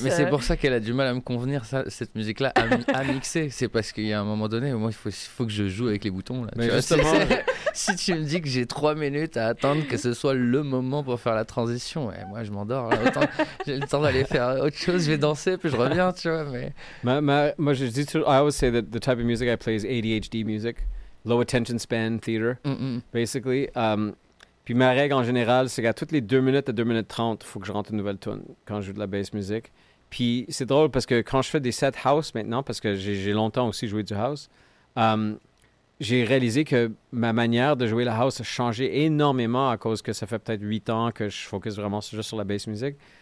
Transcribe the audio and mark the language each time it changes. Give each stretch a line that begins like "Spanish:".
French: Mais c'est pour ça qu'elle a du mal à me convenir ça, cette musique là à mixer. C'est parce qu'il y a un moment donné, moi il faut que je joue avec les boutons là. Mais justement. Si tu me dis que j'ai 3 minutes à attendre que ce soit le moment pour faire la transition, ouais, moi je m'endors. Autant, j'ai le temps d'aller faire autre chose, je vais danser, puis je reviens, tu vois. Mais... Moi je dis toujours,
English: I always say that the type of music I play is ADHD music, low attention span theater, basically.
French: Puis ma règle en général, c'est qu'à toutes les 2 minutes à 2 minutes 30, il faut que je rentre une nouvelle tune quand je joue de la bass music. Puis c'est drôle parce que quand je fais des sets house maintenant, parce que j'ai longtemps aussi joué du house, j'ai réalisé que ma manière de jouer la house a changé énormément à cause que ça fait peut-être 8 ans que je focus vraiment juste sur la bass music.